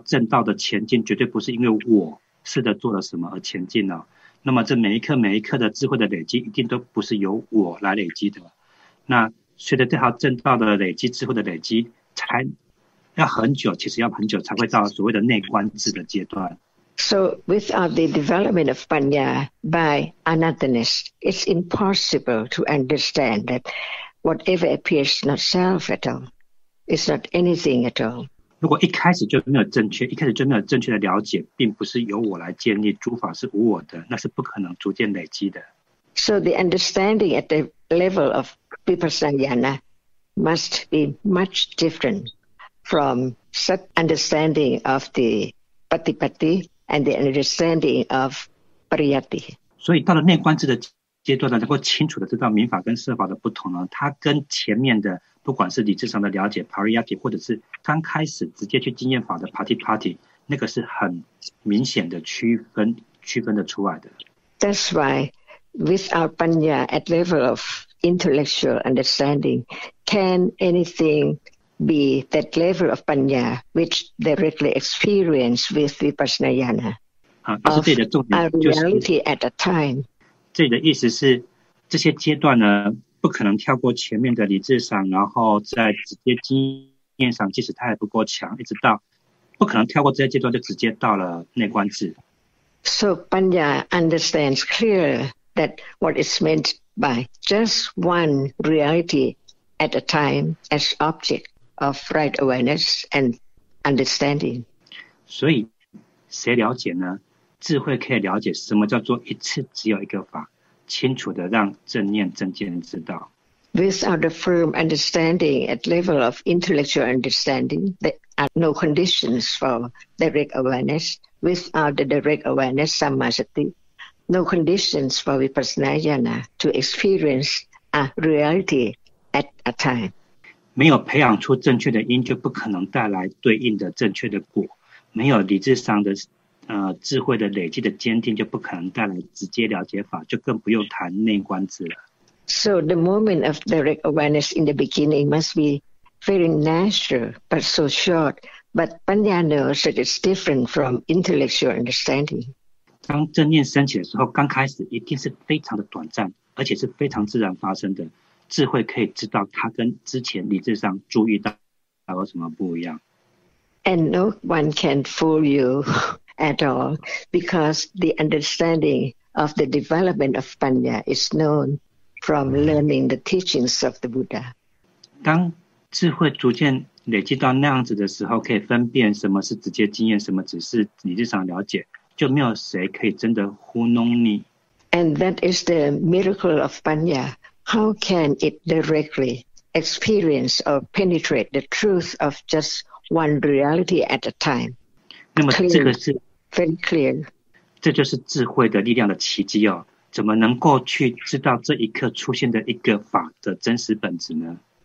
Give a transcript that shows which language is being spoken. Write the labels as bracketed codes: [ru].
[zh] 那么首先第一个重点是这条正道的前进绝对不是因为我 试着做了什么而前进呢？那么这每一刻每一刻的智慧的累积，一定都不是由我来累积的。那随着这条正道的累积，智慧的累积，才要很久，其实要很久才会到所谓的内观智的阶段。 [en] So without the development of panya by anatthaness, it's impossible to understand that whatever appears not self at all. It's not anything at all. [zh] 如果一开始就没有正确，一开始就没有正确的了解，并不是由我来建立，诸法是无我的，那是不可能逐渐累积的。 [en] So the understanding at the level of Vipassana must be much different from such understanding of the Patipatti and the understanding of Pariyatti. [zh] 所以到了内观智的阶段呢，能够清楚的知道民法跟设法的不同呢，它跟前面的不管是理智上的了解 Pariyatti， 或者是刚开始直接去经验法的 Patipatti， 那个是很明显的区分的出来的。 [en] That's why. Without Panya at level of intellectual understanding, can anything be that level of Panya which directly experience with Vipassanayana of a reality at a time? [zh] 这里的意思是，这些阶段呢，不可能跳过前面的理智上，然后在直接经验上，即使它还不够强，一直到不可能跳过这些阶段，就直接到了内观智。 [en] So Panya understands clearer. That what is meant by just one reality at a time as object of right awareness and understanding. [zh] 所以谁了解呢？智慧可以了解什么叫做一次只有一个法，清楚的让正念正见知道。 [en] Without a firm understanding at level of intellectual understanding, there are no conditions for direct awareness. Without the direct awareness, samasati. No conditions for Vipassanayana to experience a reality at a time. [zh] 没有培养出正确的因，就不可能带来对应的正确的果。没有理智上的智慧的累积的坚定，就不可能带来直接了解法，就更不用谈内观智了。 [en] So the moment of direct awareness in the beginning must be very natural, but so short. But Panya knows that it's different from intellectual understanding. [zh] 当正念升起的时候，刚开始一定是非常的短暂，而且是非常自然发生的。智慧可以知道它跟之前理智上注意到还有什么不一样。 [en] And no one can fool you at all, because the understanding of the development of Panya is known from learning the teachings of the Buddha. [zh] 当智慧逐渐累积到那样子的时候，可以分辨什么是直接经验，什么只是理智上了解。就没有谁可以真的糊弄你。 [en] And that is the miracle of Panya. How can it directly experience or penetrate the truth of just one reality at a time? [zh] 那么这个是 [en] very clear. [zh] 这就是智慧的力量的奇迹哦！怎么能够去知道这一刻出现的一个法的真实本质呢